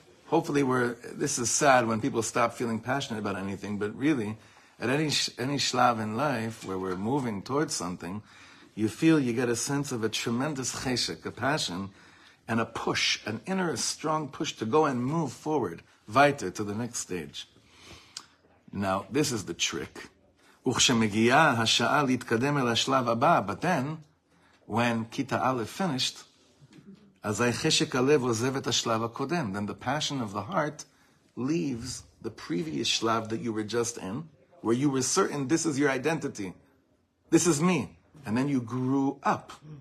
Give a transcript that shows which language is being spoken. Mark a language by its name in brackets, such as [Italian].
[English] Hopefully this is sad when people stop feeling passionate about anything, but really, at any שלב in life where we're moving towards something, you feel you get a sense of a tremendous חשק, a passion, and a push, an inner strong push to go and move forward, weiter, to the next stage. Now, this is the trick. [Hebrew] וכשמגיעה השעה להתקדם אל השלב הבא, [English] but then, when [Hebrew] כיתה א' finished, אזי חשק הלב עוזב את השלב הקודם. [English] Then the passion of the heart leaves the previous שלב that you were just in, where you were certain this is your identity. This is me. And then you grew up.